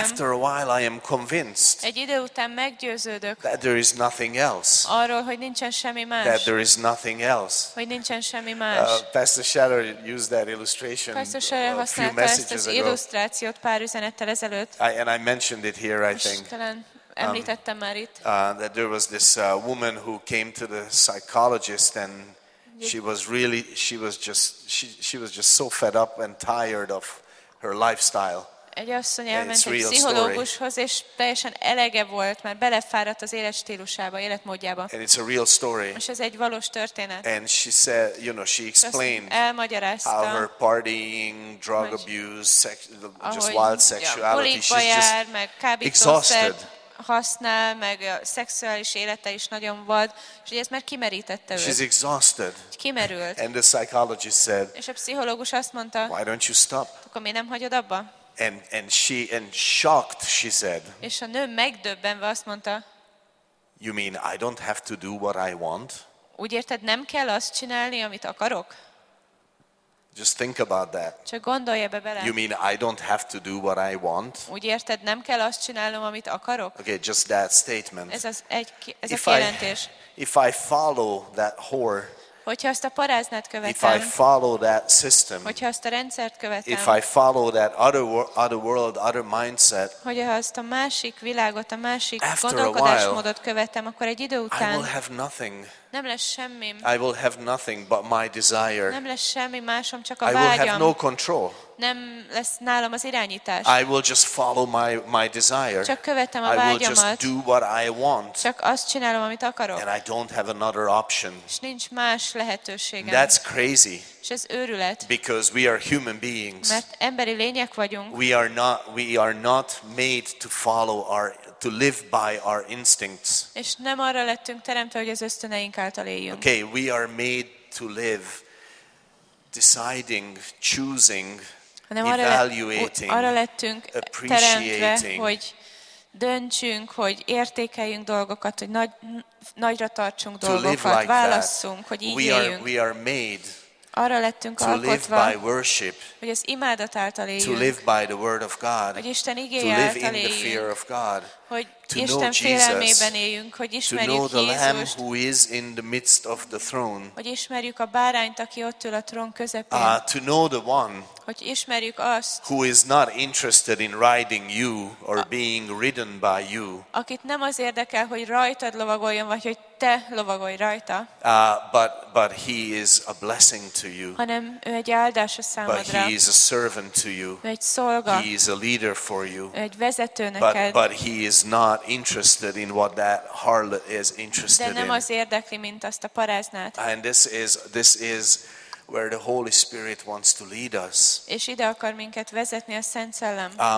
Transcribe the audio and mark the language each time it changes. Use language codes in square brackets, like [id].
[en] After a while I am convinced. [hu] Egy idő után meggyőződök. [en] That there is nothing else. [hu] Arról, hogy nincsen semmi más. [en] That there is nothing else. [hu] Hogy nincsen semmi más. [en] Pastor Scheller used that illustration. [hu] Pastor Scheller használta ezt az illusztrációt pár üzenettel ezelőtt. [en] And I mentioned it here, I think. [hu] Említettem már itt. [en] That there was this woman who came to the psychologist and she was just so fed up and tired of her lifestyle. [hu] Egy asszony elment egy pszichológushoz, és teljesen elege volt, mert belefáradt az életstílusába, életmódjába. [en] And it's a real story. [hu] És ez egy valós történet. [en] And she said, you know, she explained how her partying, drug abuse, just wild sexuality, she's exhausted. [hu] Használ, meg a szexuális élete is nagyon vad, és ugye ezt már kimerítette őt. [en] She's exhausted. [hu] Kimerült. [en] And the psychologist said. [hu] És a pszichológus azt mondta. [en] Why don't you stop? [hu] Akkor miért nem hagyod abba? [en] And shocked, she said. [hu] És a nő megdöbbenve azt mondta. [en] You mean I don't have to do what I want? [hu] Úgy érted, nem kell azt csinálni, amit akarok? [en] Just think about that. [hu] Csak gondolj ebbe bele. [en] You mean I don't have to do what I want? [hu] Úgy érted, nem kell azt csinálnom, amit akarok? [en] Okay, just that statement. [hu] Ez a kijelentés. [en] If I follow that whore. [hu] Hogyha azt a paráznát követem. [en] If I follow that system. [hu] Hogyha azt a rendszert követem. [en] If I follow that other world, other mindset. [hu] Hogyha azt a másik világot, a másik gondolkodásmódot követem, akkor egy idő után. [en] I will have nothing. [hu] Nem lesz semmi. [en] I will have nothing but my desire. [hu] Nem lesz semmi másom, csak a vágyam. [en] I will have no control. [hu] Nem lesz nálam az irányítás. [en] I will just follow my desire. [hu] Csak követem a [en] I [hu] vágyamat. [en] I will just do what I want. [hu] Csak azt csinálom, amit akarok. [en] And I don't have another option. [hu] És nincs más lehetőségem. [en] That's crazy. [hu] És ez őrület. [en] Because we are human beings. [hu] Mert emberi lények vagyunk. [en] We are not made to follow our to live by our instincts. [hu] És nem arra lettünk teremtve, hogy az ösztöneink által éljünk. [en] Okay, we are made to live deciding, choosing, evaluating, [hu] arra lettünk teremtve, hogy döntsünk, hogy értékeljünk dolgokat, hogy nagyra tartsunk dolgokat, válasszunk, hogy így éljünk. [en] We are made [hu] arra lettünk [en] to [hu] alkotva, [en] live by worship, [hu] hogy az imádat által éljünk, [en] to live by the word of God, [hu] hogy Isten igéje által éljünk, [en] to live in the fear of God, [hu] hogy Isten félelmében éljünk, hogy ismerjük [en] to know the [hu] Jézust, [en] Lamb who is in the midst of the throne, [hu] hogy ismerjük a bárányt, aki ott ül a trón közepén, [en] to know the one, [hu] hogy ismerjük azt, [en] who is not interested in riding you or being ridden by you, [hu] akit nem az érdekel, hogy rajtad lovagoljon, vagy hogy te lovagolj rajta. [en] But he is a blessing to you. [hu] Hanem ő egy áldás a számodra. [en] But he is a servant to you. [hu] Ő egy szolga. [en] He is a leader for you. [hu] Ő egy vezető neked. [en] But he is not interested in what that harlot is interested in. [hu] De nem az érdekli, mint azt a paráznát. [en] And this is where the Holy Spirit wants to lead us. [hu] És ide akar minket vezetni a Szent Szellem.